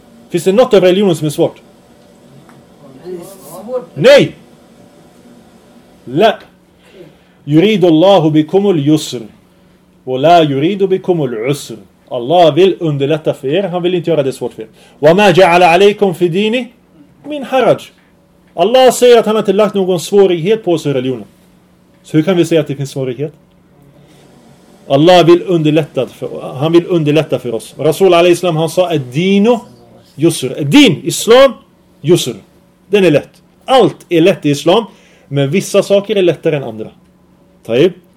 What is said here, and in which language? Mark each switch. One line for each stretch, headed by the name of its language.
Swedish: Finns det något av religionen som är svårt?
Arabic: Nej! La. Yuridu Allahu bikumul yusr. ولا يريد بكم العسر.
Swedish: الله vill underlätta för er, han vill inte göra det svårt för er.
Arabic: وما جعل عليكم في ديني من حرج.
Swedish: Allah säger att han inte lagt någon svårighet på oss i religionen. Så hur kan vi säga att det finns svårighet? Allah vill underlätta för, han vill underlätta för oss. Rasul alaihi salam, han sa att
Arabic: dino yusr.
Swedish: Din, islam, yusr. Den är lätt. Allt är lätt i islam, men vissa saker är lättare än andra. Taib.